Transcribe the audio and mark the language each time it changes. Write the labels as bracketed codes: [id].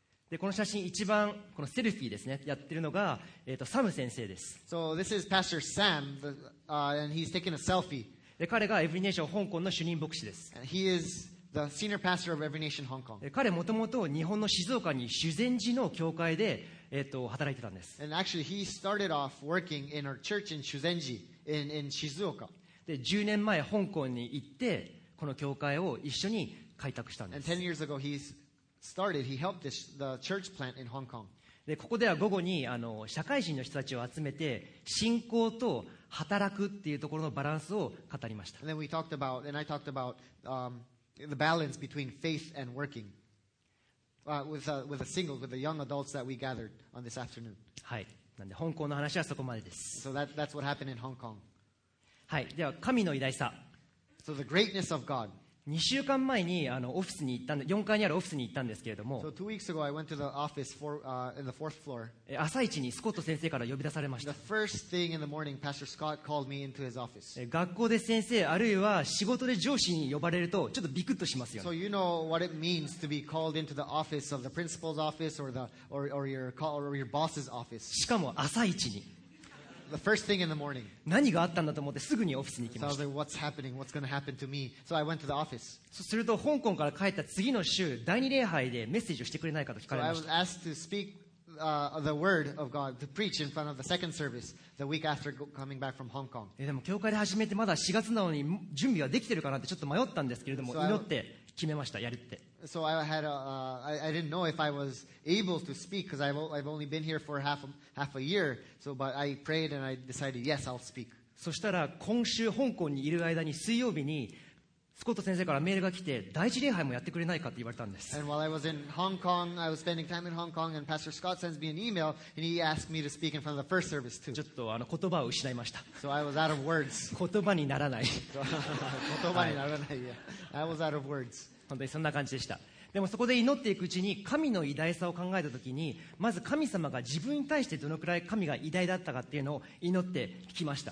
[ja] で、この写真一番、このセルフィーですね、やってるのが、サム先生です。 [en] So this is Pastor Sam, and he's taking a selfie. [ja] で彼がエブリネーション香港の主任牧師です。 [en] He is the senior pastor of Every Nation Hong Kong. [ja] 彼もともと日本の静岡に修善寺の教会で、働いてたんです。 [en] And actually, he started off working in our church in 修善寺 in 静岡。 [ja] で、10年前香港に行ってこの教会を一緒に開拓したんです。 [en] And 10 years ago, he helped the church plant in Hong Kong. [ja] で、ここでは午後に社会人の人たちを集めて信仰と働くっていうところのバランスを語りました。 [en] And then we talked about, and I talked about, the balance between faith and working, with the singles, with the young adults that we gathered on this afternoon. [ja] はい。なんで、香港の話はそこまでです。 [en] So that's what happened in Hong Kong. [ja] はい。では、神の偉大さ。 [en] So the greatness of God. [ja] 2週間前にオフィスに行ったんで、4階にあるオフィスに行ったんですけれども、 [en] So 2 weeks ago I went to the office for, in the fourth floor. [ja] 朝一にスコット先生から呼び出されました。 [en] The first thing in the morning, Pastor Scott called me into his office. [ja] 学校で先生、あるいは仕事で上司に呼ばれると、ちょっとビクッとしますよね。 [en] So you know what it means to be called into the office of the principal's office or your boss's office. [ja] しかも朝一に。 [en] The first thing in the morning. [ja] 何があったんだと思ってすぐにオフィスに行きました。 [en] So I was like, what's happening? What's going to happen to me? So I went to the office. [ja] そうすると香港から帰った次の週、第二礼拝でメッセージをしてくれないかと聞かれました。 [en] So I was asked to speak, the word of God, to preach in front of the second service the week after coming back from Hong Kong. [ja] でも教会で始めてまだ4月なのに準備はできてるかなってちょっと迷ったんですけれども、祈って決めました、やるって。 [en] So I didn't know if I was able to speak because I've only been here for half a year. So, but I prayed and I decided, yes, I'll speak. [ja] そしたら今週香港にいる間に水曜日にスコット先生からメールが来て第一礼拝もやってくれないかって言われたんです。 [en] And while I was in Hong Kong, I was spending time in Hong Kong, and Pastor Scott sends me an email and he asked me to speak in front of the first service too. [ja] ちょっと言葉を失いました。 [en] So I was out of words. [ja] 言葉にならない。言葉にならない。 [en] Yeah. I was out of words. [ja] 本当にそんな感じでした。でもそこで祈っていくうちに神の偉大さを考えたときに、まず神様が自分に対してどのくらい神が偉大だったかっていうのを祈って聞きました。